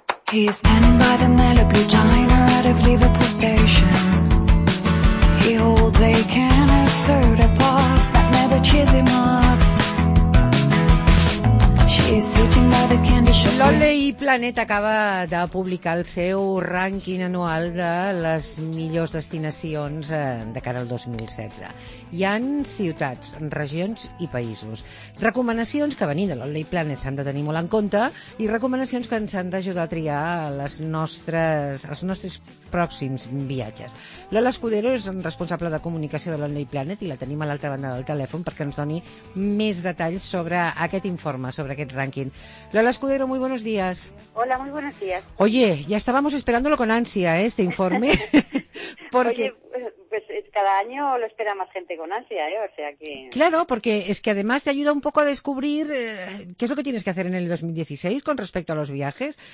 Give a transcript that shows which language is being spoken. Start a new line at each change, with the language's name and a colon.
English: He's standing by the mellow blue diner out of Liverpool station. He holds a can of soda pop that never cheers him up. She's sitting by the candy shop.
Catalan: L'Olei Planet acaba de publicar el seu rànquing anual de les millors destinacions de cara al 2016. Hi han ciutats, regions i països. Recomanacions que venint de l'Olei Planet s'han de tenir molt en compte i recomanacions que ens han d'ajudar a triar els nostres pròxims viatges. Lola Escudero és responsable de comunicació de l'Olei Planet i la tenim a l'altra banda del telèfon perquè ens doni més detalls sobre aquest informe, sobre aquest rànquing.
Spanish: Lola Escudero, muy buenos días. Hola, muy buenos días. Oye, ya estábamos esperándolo con ansia, ¿eh?, este informe. Porque... Oye, pues cada año lo espera más gente con ansia, ¿eh? O sea que... Claro, porque es que además te ayuda un poco a descubrir qué es lo que tienes que hacer en el 2016 con respecto a los viajes.